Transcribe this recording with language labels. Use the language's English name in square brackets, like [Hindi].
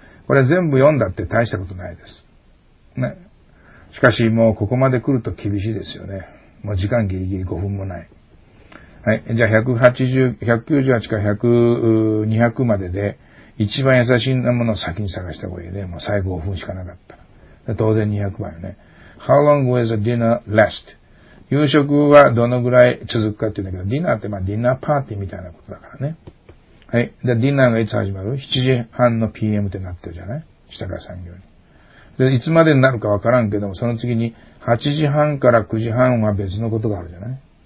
[Japanese] これ全部読んだって大したことないです、ね、しかしもうここまで来ると厳しいですよね。もう時間ギリギリ5分もない。はい。じゃあ198から200までで、一番優しいなものを先に探した方がいいね。もう最後5分しかなかった。で当然200番よね。 [English] How long will the dinner last? [Japanese] 夕食はどのぐらい続くかっていうんだけど、ディナーってまあディナーパーティーみたいなことだからね。はい。で、ディナーがいつ始まる ?7 時半の PM ってなってるじゃない?下から産業に。で、いつまでになるかわからんけども、その次に、8時半から9時半は別のことがあるじゃない?